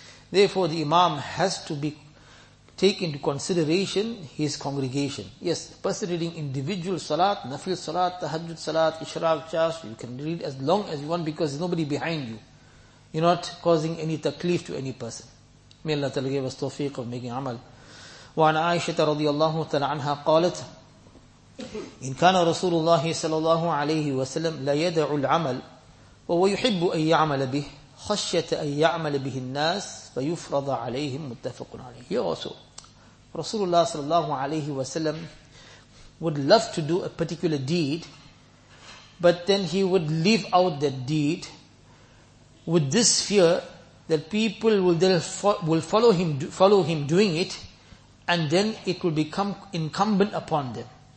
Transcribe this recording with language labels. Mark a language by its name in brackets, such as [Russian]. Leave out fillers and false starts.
[English] Therefore, the imam has to be take into consideration his congregation. Yes, person reading individual salat, nafil salat, tahajjud salat, ishraq, chash, you can read as long as you want because there's nobody behind you. You're not causing any takleef to any person. May Allah ta'ala give us tawfiq of making amal. [Arabic] وعن عائشة رضي الله تعالى عنها قالت إن كان رسول الله صلى الله عليه وسلم لا يدع العمل وهو يحب أن يعمل به خشية أن يعمل به الناس فيفرض عليهم. متفق عليه. [English] Here also, Rasulullah sallallahu alayhi wa sallam would love to do a particular deed, but then he would leave out that deed with this fear that people will follow him doing it, and then it will become incumbent upon them.